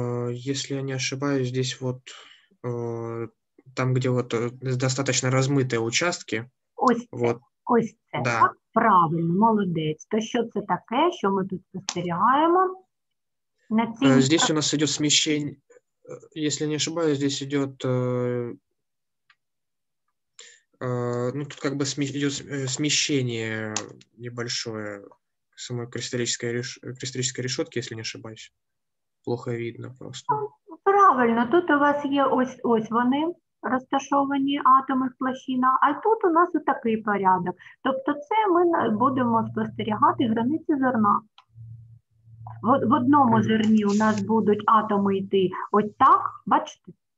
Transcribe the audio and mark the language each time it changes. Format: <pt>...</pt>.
<ru>Если я не ошибаюсь, здесь вот там, где вот достаточно размытые участки, вот,</ru> <uk>Ось це,</uk> <ru>да.</ru> <uk>так? Правильно, молодець. То що це таке, що ми тут спостерігаємо? На цій...</uk> <ru>Здесь у нас идет смещение, если не ошибаюсь, здесь идет, ну, тут как бы идет смещение небольшое самой кристаллической решетки, если не ошибаюсь. Плохо видно просто.</ru> <uk>Правильно, тут у вас є ось вони розташовані атоми в площинах, а тут у нас отакий порядок. Тобто це ми будемо спостерігати границі зерна. В одному зерні у нас будуть атоми йти ось так, бачите?</uk>